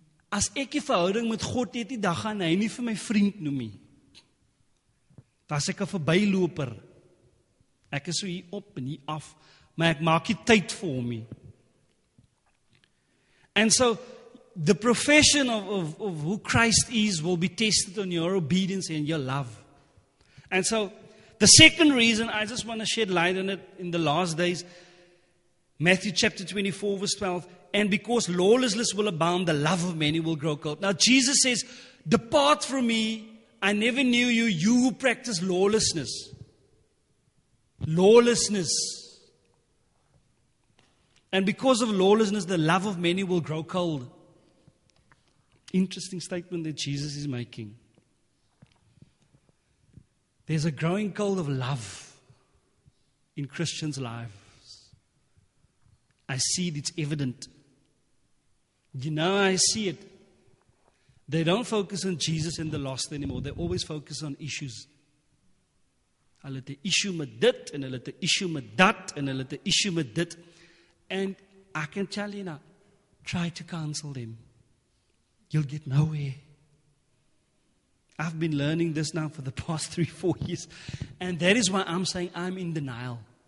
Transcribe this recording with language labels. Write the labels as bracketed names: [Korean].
[Afrikaans] As ek die verhouding met God het, die dag gaan hy nie vir my vriend noem nie. Was ek 'n verbyloper. Ek is so hier op en hier af, maar ek maak nie tyd vir hom nie. [English] And so, the profession of who Christ is will be tested on your obedience and your love. And so, the second reason, I just want to shed light on it in the last days, Matthew chapter 24 verse 12, and because lawlessness will abound, the love of many will grow cold. Now Jesus says, depart from me, I never knew you, you who practice lawlessness. Lawlessness. And because of lawlessness, the love of many will grow cold. Interesting statement that Jesus is making. There's a growing cold of love in Christians' lives. I see it, it's evident. You know I see it. They don't focus on Jesus and the lost anymore. They always focus on issues. [Afrikaans] Hulle het 'n issue met dit, en hulle het 'n issue met dat, en hulle het 'n issue met dit. [English] And I can tell you now, try to counsel them. You'll get nowhere. I've been learning this now for the past 3-4 years. And that is why I'm saying I'm in denial.